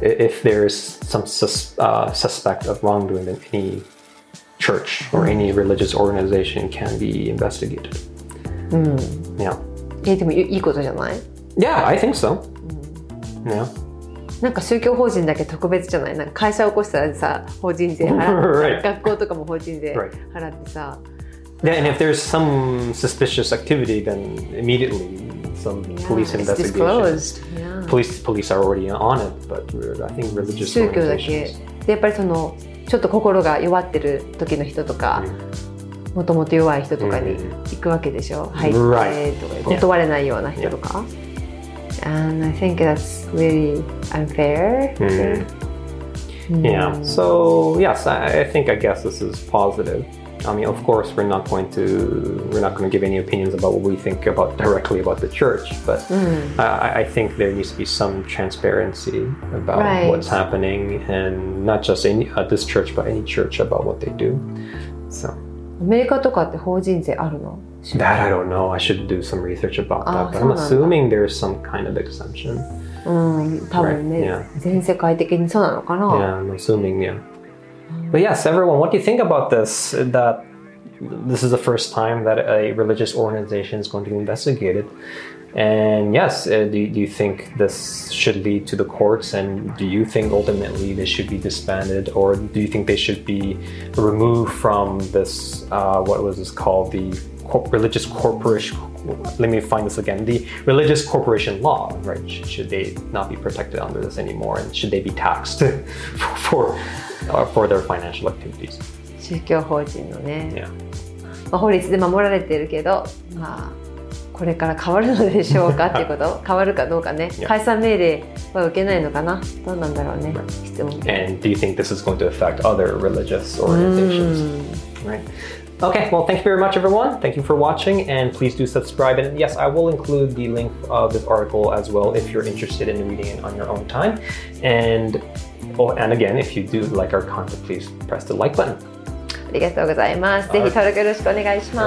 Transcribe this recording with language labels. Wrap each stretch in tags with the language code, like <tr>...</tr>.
<en>If there is some suspect of wrongdoing, then any church or any religious organization can be investigated. Yeah.</en> <ja>でもいいことじゃない?</ja> <en>Yeah, I think so. Yeah.</en> <ja>なんか宗教法人だけ特別じゃない。なんか会社を起こしたらさ、法人税払って、学校とかも法人税払ってさ。</ja> <en>Right. Yeah, and if there's some suspicious activity, then immediately some police investigation. It's disclosed. Yeah. Police are already on it, but I think religious organizations.</en> <ja>宗教だけ。で、やっぱりその、ちょっと心が弱ってる時の人とか、もともと弱い人とかに行くわけでしょ。</ja> <en>Mm-hmm.</en> <ja>入ってとか、断れないような人とか。</ja> <en>Yeah. Yeah. And I think that's really unfair. Yeah. So, yes, I guess this is positive. I mean, of course, we're not going to give any opinions about what we think about directly about the church. But I think there needs to be some transparency about what's happening. And not just any, this church, but any church about what they do. So.</en> <ja>アメリカとかって法人税あるの?</ja> <en>That I don't know. I should do some research about that. But I'm assuming there's some kind of exemption.</en> <ja>多分ね、全世界的にそうなのかな?</ja> <en>Yeah, I'm assuming, yeah. But yes, everyone, what do you think about this? That this is the first time that a religious organization is going to be investigated. And yes, do you think this should lead to the courts? And do you think ultimately this should be disbanded? Or do you think they should be removed from this, what was this called? The religious corporation, let me find this again. The religious corporation law, right? Should they not be protected under this anymore? And should they be taxed for their financial activities?</en> <ja>宗教法人のね。</ja> <en>Yeah.</en> <ja>まあ、法律で守られているけど、まあこれから変わるのでしょうかっていうこと変わるかどうかね、yeah. 解散命令は受けないのかな、どうなんだろうね、質問。</ja> <en>And do you think this is going to affect other religious organizations? Right. Okay, well thank you very much everyone. Thank you for watching and please do subscribe. And yes, I will include the link of this article as well if you're interested in reading it on your own time. And, oh, and again, if you do like our content, please press the like button.</en> <ja>ありがとうございます。ぜひ登録よろしくお願いします。</ja>